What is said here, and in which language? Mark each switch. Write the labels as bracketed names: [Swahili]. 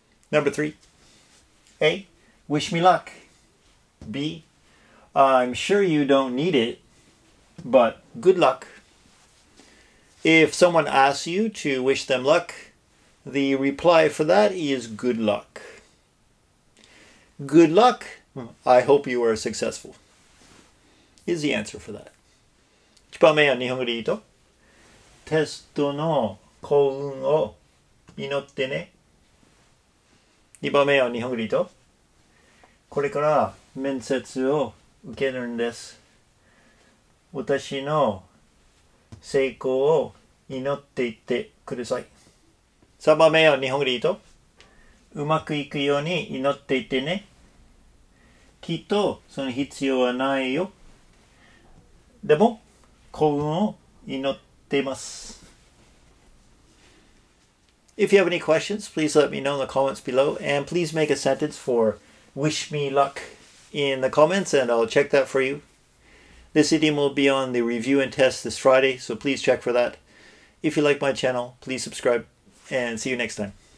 [English] Number three, A, wish me luck. B, I'm sure you don't need it, but good luck. If someone asks you to wish them luck, the reply for that is good luck. Good luck, I hope you are successful, is the answer for that. [Japanese] 1番目は日本語で言うと、テストの幸運を祈ってね。 2番目は日本語で言うと、これから面接を受けるんです。私の成功を祈っていってください。 3番目は日本語で言うと、うまくいくように祈っていてね。きっとその必要はないよ。でも幸運を祈っています。 [English] If you have any questions, please let me know in the comments below and please make a sentence for wish me luck in the comments and I'll check that for you. This idiom will be on the review and test this Friday, so please check for that. If you like my channel, please subscribe and see you next time.